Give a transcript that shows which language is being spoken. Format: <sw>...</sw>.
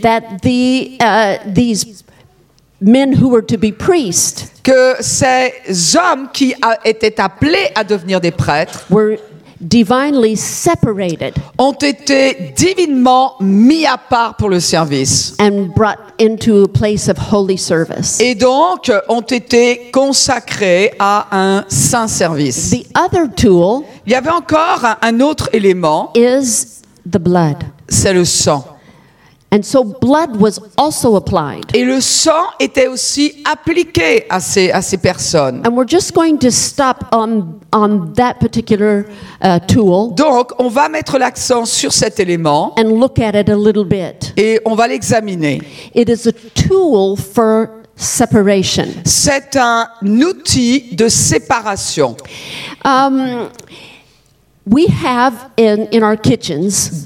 <en>That the these men who were to be priests,</en> <fr>que ces hommes qui étaient appelés à devenir des prêtres,</fr> <en>were divinely separated,</en> <fr>ont été divinement mis à part pour le service,</fr> <en>and brought into a place of holy service,</en> <fr>et donc ont été consacrés à un saint service.</fr> <en>The other tool,</en> <fr>il y avait encore un autre élément,</fr> <en>is the blood.</en> <fr>C'est le sang.</fr> <en>And so blood was also applied.</en> <fr>Et le sang était aussi appliqué à ces personnes.</fr> <en>And we're just going to stop on that particular tool.</en> <fr>Donc on va mettre l'accent sur cet élément.</fr> <en>And look at it a little bit.</en> <fr>Et on va l'examiner.</fr> <en>It is a tool for separation.</en> <fr>C'est un outil de séparation.</fr> <en>We have in our kitchens.</en>